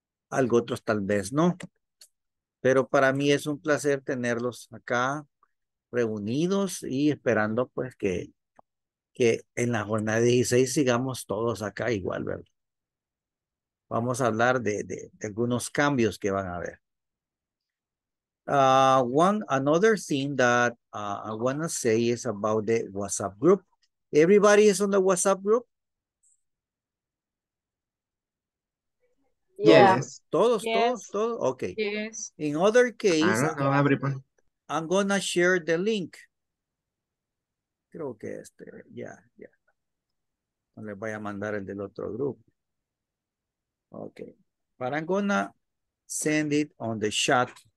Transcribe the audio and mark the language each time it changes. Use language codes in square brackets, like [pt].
[es] Algo otros tal vez, ¿no? Pero para mí es un placer tenerlos acá reunidos y esperando pues que en la jornada 16 sigamos todos acá igual, ¿verdad? Vamos a hablar de algunos cambios que van a haber. [en] Another thing that I want to say is about the WhatsApp group. Everybody is on the WhatsApp group? Yes. Yes. [es] Todos, [en] yes. [es] Todos. Okay. [en] Yes. In other case, I don't know everybody. I'm going to share the link. [es] Creo que este, [en] yeah. [es] No les voy a mandar el del otro grupo. [en] Okay, but I'm gonna send it on the chat.